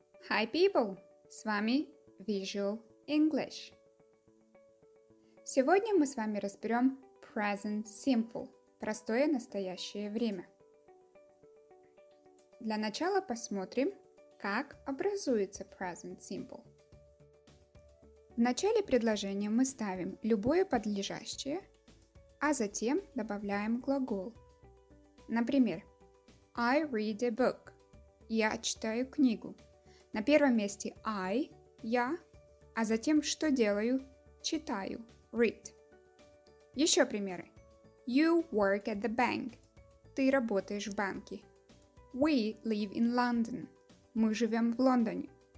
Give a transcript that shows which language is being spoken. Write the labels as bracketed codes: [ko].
[en] Hi people, [ru] с вами [en] Visual English. [ru] Сегодня мы с вами разберем Present Simple, простое настоящее время. Для начала посмотрим, как образуется Present Simple. В начале предложения мы ставим любое подлежащее, а затем добавляем глагол. [en] Например, I read a book. [ru] Я читаю книгу. На первом месте I, я, а затем что делаю? Читаю, read. Еще примеры. [en] You work at the bank. [ru] Ты работаешь в банке. [en] We live in London. [ru] Мы живем в Лондоне.